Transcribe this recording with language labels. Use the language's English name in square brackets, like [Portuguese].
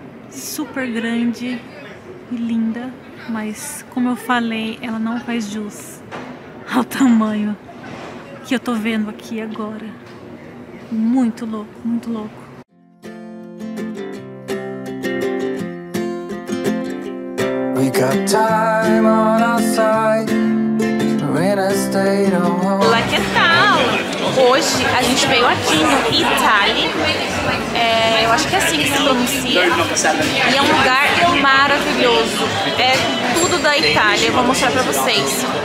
[Portuguese] Super grande e linda. Mas como eu falei, ela não faz jus ao tamanho que eu tô vendo aqui agora. Muito louco, muito louco. [English] We got time on our side. We're in a state of home. [Portuguese] Olá, que tal? Hoje hoje a gente veio aqui no Itali, eu acho que é assim que se pronuncia, e é um lugar maravilhoso, é tudo da Itália, eu vou mostrar pra vocês.